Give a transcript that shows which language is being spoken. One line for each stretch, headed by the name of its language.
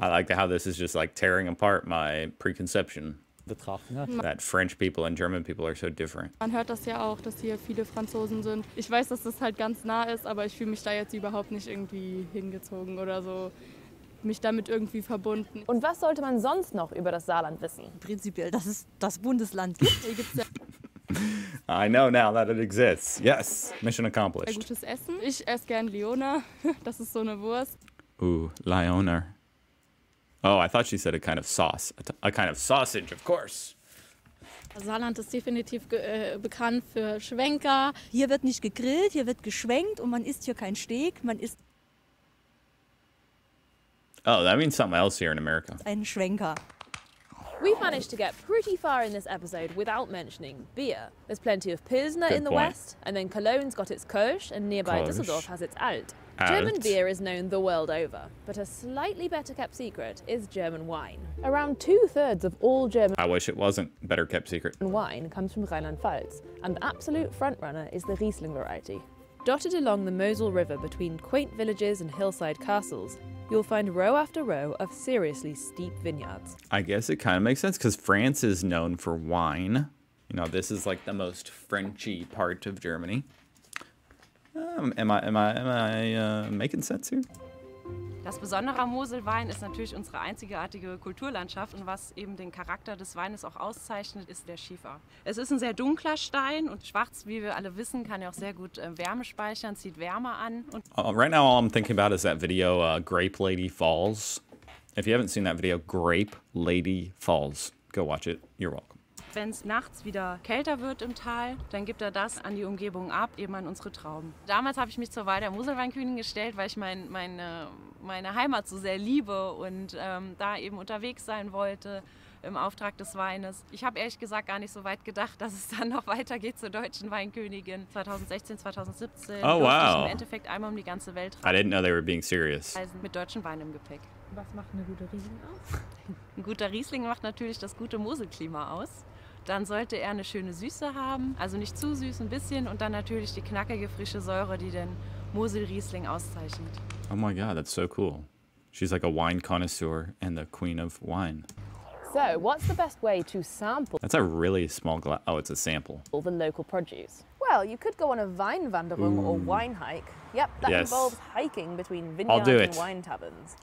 English: I like how this is just like tearing apart my preconception.
German: Betrachten, ne?
English: That French people and German people are so different.
German: Man hört das ja auch, dass hier viele Franzosen sind. Ich weiß, dass das halt ganz nah ist, aber ich fühle mich da jetzt überhaupt nicht irgendwie hingezogen oder so, mich damit irgendwie verbunden. Und was sollte man sonst noch über das Saarland wissen? Prinzipiell, dass es das Bundesland gibt. Hier gibt's ja
English: I know now that it exists. Yes, mission accomplished.
German: Sehr gutes Essen. Ich esse gern Leona. Das ist so eine Wurst.
English: Ooh, Leona. Oh, I thought she said a kind of sauce. A kind of sausage, of course.
German: Saarland ist definitiv bekannt für Schwenker. Hier wird nicht gegrillt, hier wird geschwenkt und man isst hier kein Steak. Man isst...
English: Oh, that means something else here in America.
German: Ein Schwenker.
English: We've managed to get pretty far in this episode without mentioning beer. There's plenty of Pilsner Good in the point. West, and then Cologne's got its Kölsch, and nearby Kölsch. Düsseldorf has its Alt. Alt. German beer is known the world over, but a slightly better kept secret is German wine. Around two-thirds of all German... I wish it wasn't better kept secret. ...wine comes from Rheinland-Pfalz, and the absolute front-runner is the Riesling variety. Dotted along the Mosel River between quaint villages and hillside castles, you'll find row after row of seriously steep vineyards. I guess it kind of makes sense because France is known for wine. You know, this is like the most Frenchy part of Germany. Making sense here?
German: Das Besondere am Moselwein ist natürlich unsere einzigartige Kulturlandschaft und was eben den Charakter des Weines auch auszeichnet, ist der Schiefer. Es ist ein sehr dunkler Stein und schwarz, wie wir alle wissen, kann ja auch sehr gut Wärme speichern, zieht Wärme an. Und
English: right now all I'm thinking about is that video Grape Lady Falls. If you haven't seen that video, Grape Lady Falls, go watch it, you're welcome.
German: Wenn es nachts wieder kälter wird im Tal, dann gibt er das an die Umgebung ab, eben an unsere Trauben. Damals habe ich mich zur Wahl der Moselweinkönigin gestellt, weil ich meine Heimat so sehr liebe und da eben unterwegs sein wollte. im Auftrag des Weines. Ich habe ehrlich gesagt gar nicht so weit gedacht, dass es dann noch weitergeht zur deutschen Weinkönigin. 2016, 2017. Oh, wow. Ich im Endeffekt einmal um die ganze Welt.
English: I didn't know they were being serious.
German: Mit deutschem Wein im Gepäck. Was macht eine gute Riesling aus? Ein guter Riesling macht natürlich das gute Moselklima aus. Dann sollte er eine schöne Süße haben, also nicht zu süß, ein bisschen. Und dann natürlich die knackige, frische Säure, die den Mosel-Riesling auszeichnet.
English: Oh my God, that's so cool. She's like a wine connoisseur and the queen of wine. So, what's the best way to sample? That's a really small glass. Oh, it's a sample. All the local produce. Well, you could go on a Weinwanderung or wine hike. Yep, that involves hiking between vineyards and wine taverns.